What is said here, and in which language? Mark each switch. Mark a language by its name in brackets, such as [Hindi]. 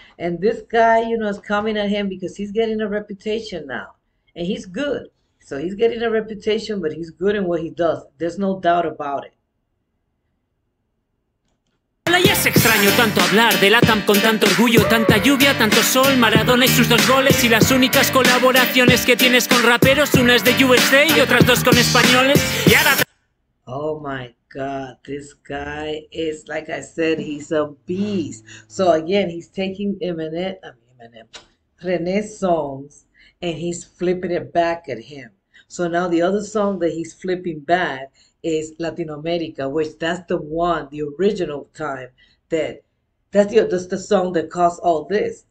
[English] And this guy, is coming at him because he's getting a reputation now, and he's good. So he's getting a reputation, but he's good in what he does. There's no doubt about it. [Spanish] Es extraño tanto hablar de Latam con tanto orgullo, tanta lluvia, tanto sol, Maradona y sus dos goles. Y las únicas colaboraciones que tienes con raperos, una es de USA y otras dos con españoles. Y ahora. [English] Oh my God, this guy is, like I said, he's a beast. So again, he's taking Eminem, I mean Eminem, René's songs, and he's flipping it back at him. So now the other song that he's flipping back is Latin America, which that's the one, the original time that that's the song that caused all this.